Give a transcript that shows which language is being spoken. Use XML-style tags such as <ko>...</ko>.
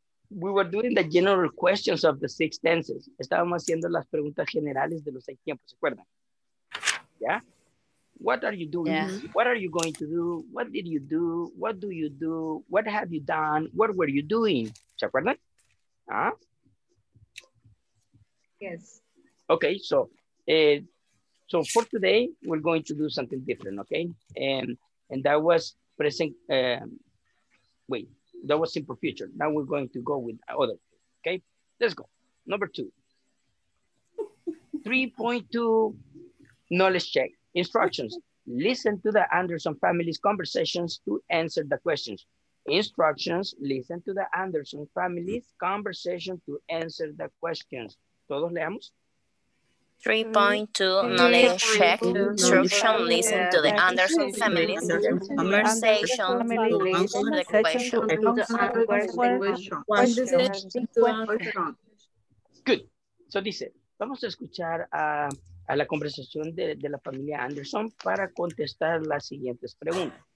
<en>We were doing the general questions of the six tenses.</en> <es>Estábamos haciendo las preguntas generales de los seis tiempos, ¿se acuerdan?</es> <en>Yeah. What are you doing? Yeah. What are you going to do? What did you do? What do you do? What have you done? What were you doing?</en> <es>¿Se acuerdan?</es> <en>Huh? Yes. Okay, so so for today, we're going to do something different, okay? And that was present, wait, that was simple future. Now we're going to go with other, okay? Let's go. Number two. 3.2 knowledge check. Instructions. Listen to the Anderson family's conversations to answer the questions. Instructions. Listen to the Anderson family's conversation to answer the questions.</en> <es>Todos leamos.</es> <en>3.2 knowledge check. Instruction. Listen to the Anderson family's conversation to answer the questions. Good. So</en> <es>dice, vamos a escuchar a la conversación de la familia Anderson para contestar las siguientes preguntas.</es>